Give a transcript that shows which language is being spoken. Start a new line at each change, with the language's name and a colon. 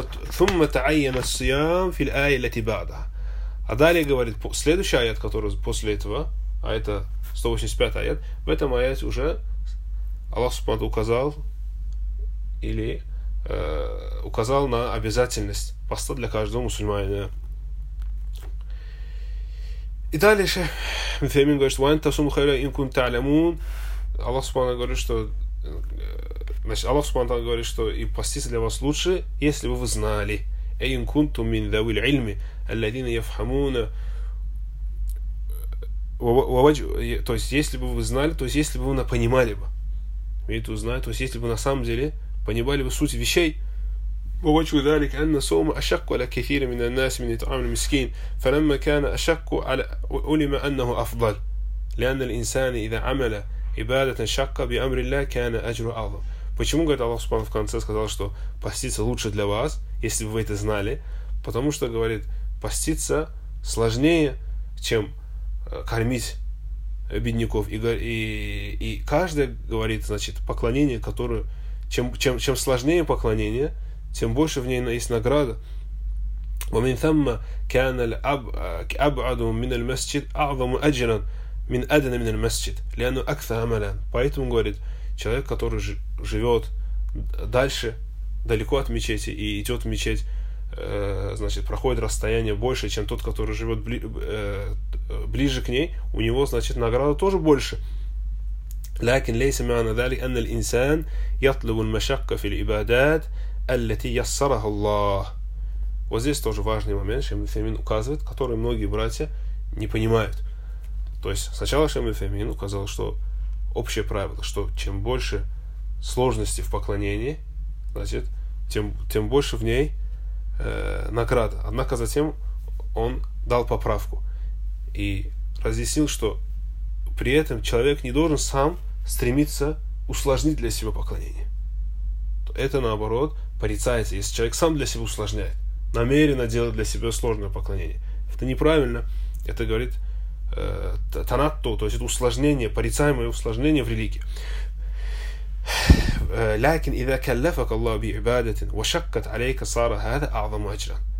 Arabic: ثم تعين الصيام في الآية التي بعدها.
Russian: А далее говорит, следующий аят, который после этого, а это 185 аят, в этом аяте уже Аллах Субхану указал или указал на обязательность поста для каждого мусульманина. И дальше Мефемин говорит, что «Ванта суму хайля инкун та'лямун». Аллах Субхану говорит, что значит, Аллах Субхану говорит, что и поститься для вас лучше, если бы вы знали.
Arabic: «Эйн кунту мин дауил ильми». الذين يفهمون то есть если бы вы знали, то есть если бы вы понимали бы, видите, узнали, то есть если бы на самом деле понимали бы суть вещей, ووجه ذلك أن صوم أشق على كثير من الناس من إطعام المسكين فلما كان أشق على علم أنه أفضل لأن الإنسان إذا عمل عبادة شقة بأمر الله كان أجره أعظم.
Russian: Почему говорит Аллах Субхану в конце сказал, что поститься лучше для вас, если бы вы это знали, потому что говорит поститься сложнее, чем кормить бедняков. И каждый говорит, значит, поклонение, которое... Чем сложнее поклонение, тем больше в ней есть награда.
Arabic: وَمِنْ ثَمَّ كَانَ الْأَبْعَدُ مِنَ الْمَسْجِدِ أَعْظَمُ أَجْرًا مِنْ أَدْنَ مِنَ الْمَسْجِدِ لِأَنُ أَكْثَ عَمَلًا.
Russian: Поэтому, говорит, человек, который живет дальше, далеко от мечети и идет в мечеть, значит, проходит расстояние больше, чем тот, который живет ближе к ней, у него, значит, награда тоже больше.
Arabic: لكن ليس معنى ذلك أن الإنسان يطلب المشقة في العبادات التي يسرها الله.
Russian: Вот здесь тоже важный момент, Шейх Мифемин указывает, который многие братья не понимают. То есть сначала Шейх Мифемин указал, что общее правило, что чем больше сложности в поклонении, значит, тем больше в ней награда. Однако затем он дал поправку и разъяснил, что при этом человек не должен сам стремиться усложнить для себя поклонение. Это наоборот порицается, если человек сам для себя усложняет, намеренно делает для себя сложное поклонение. Это неправильно. Это говорит танатту, то есть это усложнение, порицаемое усложнение в религии.
Arabic: لكن إذا كلفك الله بعبادة وشقت عليك صار هذا أعظم أجرا.